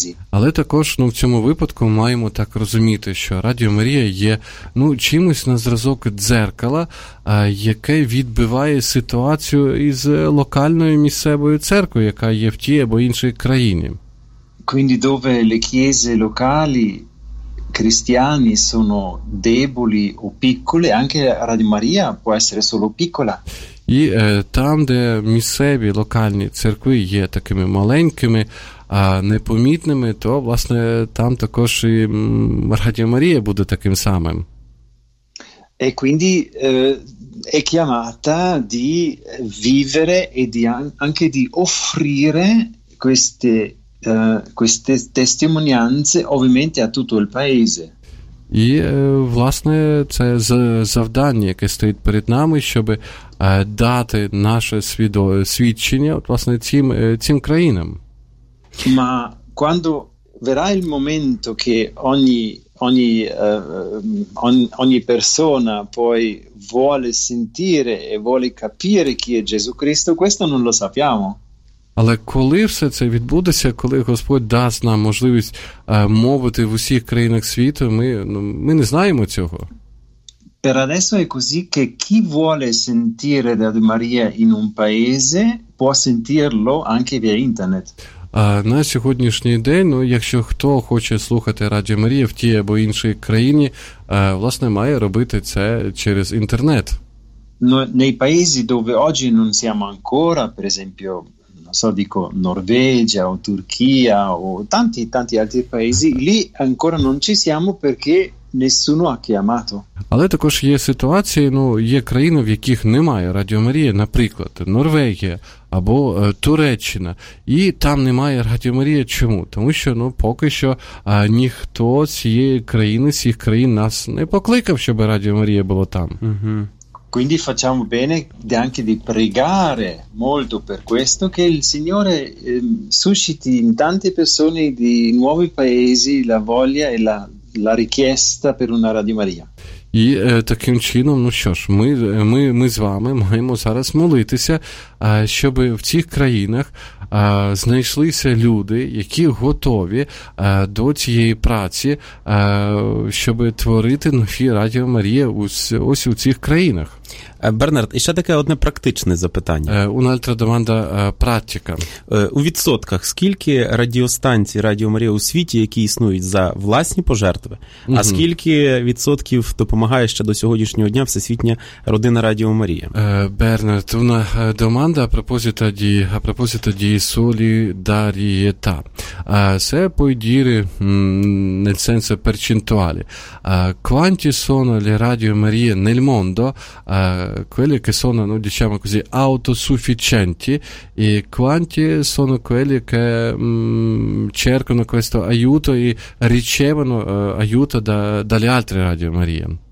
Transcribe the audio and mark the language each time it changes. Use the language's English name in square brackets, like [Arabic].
[Ukrainian] Але також, ну, в цьому випадку маємо так розуміти, що Радіо Марія є, ну, чимось на зразок дзеркала, яке відбиває ситуацію із локальною місцевою церквою, яка є в тій або іншій країні. [Italian] Quindi dove le chiese locali cristiani sono deboli o piccole, anche Radio Maria può essere solo piccola. [Ukrainian] І там, де місцеві локальні церкви є такими маленькими, а непомітними, то, власне, там також і Радіо Марія буде таким самим. [Italian] E quindi è chiamata di vivere e di anche di offrire queste queste testimonianze ovviamente a tutto il paese. [Ukrainian] І, власне, це завдання, яке стоїть перед нами, щоб дати наше свідчення, от, власне, цим країнам. [Italian] Ma quando verrà il momento che ogni persona poi vuole sentire e vuole capire chi è Gesù Cristo, questo non lo sappiamo. [Ukrainian] Але коли все це відбудеться, коли Господь дасть нам можливість мовити в усіх країнах світу, ми не знаємо цього. [Italian] Per adesso è così che chi vuole sentire Radio Maria in un paese può sentirlo anche via internet. [Ukrainian] На сьогоднішній день, ну, якщо хто хоче слухати Радіо Марія в тій або іншій країні, власне, має робити це через інтернет. [Italian] Ну, nei paesi dove oggi non siamo ancora, per esempio, non so, dico Norvegia o Turchia o tanti tanti altri paesi, lì ancora non ci siamo perché nessuno ha chiamato. [Ukrainian] Але також є ситуації, ну, є країни, в яких немає Радіо Марії, наприклад, Норвегія або Туреччина. І там немає Радіо Марії. Чому? Тому що, ну, поки що ніхто з цієї країни, з цих країн нас не покликав, щоб Радіо Марія було там. [Italian] Quindi facciamo bene anche di pregare molto per questo, che il Signore susciti in tante persone di nuovi paesi la voglia e la richiesta per una Radio Maria. [Ukrainian] І таким чином, ну що ж, ми з вами маємо зараз молитися, щоб в цих країнах знайшлися люди, які готові до цієї праці, щоб творити нові Радіо Марія ось у цих країнах. Бернард, і ще таке одне практичне запитання. [Italian] Un'altra domanda pratica. [Ukrainian] У відсотках скільки радіостанцій Радіо Марія у світі, які існують за власні пожертви, а скільки відсотків допомагає ще до сьогоднішнього дня Всесвітня родина Радіо Марія? [Italian] Бернард, una domanda a proposito di solidarietà. Se puoi dire nel senso percentuale, quanti sono le Radio Marie nel mondo? quelli che sono, no, diciamo così, autosufficienti, e quanti sono quelli che cercano questo aiuto e ricevono aiuto dalle altre Radio Maria?